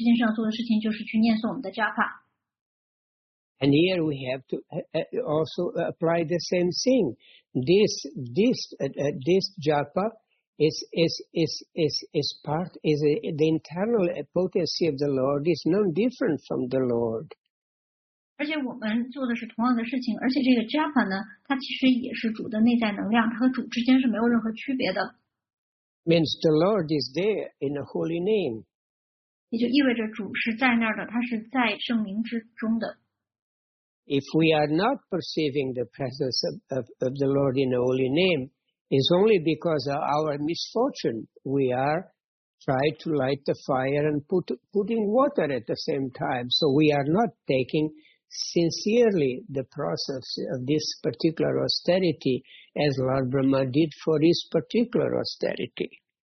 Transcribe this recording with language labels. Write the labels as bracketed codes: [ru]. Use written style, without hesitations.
[zh] 因为我们必须要辟出一些时间，而且不仅仅是花这个时间，而且需要把我们完全的注意力放在这件事情上。这件事要做的事情就是去念诵我们的japa。 [en] And here we have to also apply the same thing. This japa is the internal potency of the Lord. It's no different from the Lord. [zh] 而且这个 japa 呢，它其实也是主的内在能量，它和主之间是没有任何区别的。 [en] Means the Lord is there in the holy name. [zh] 也就意味着主是在那儿的，它是在圣名之中的。 [en] If we are not perceiving the presence of the Lord in the holy name, it's only because of our misfortune. We are trying to light the fire and putting water at the same time. So we are not taking sincerely the process of this particular austerity as Lord Brahma did for his particular austerity.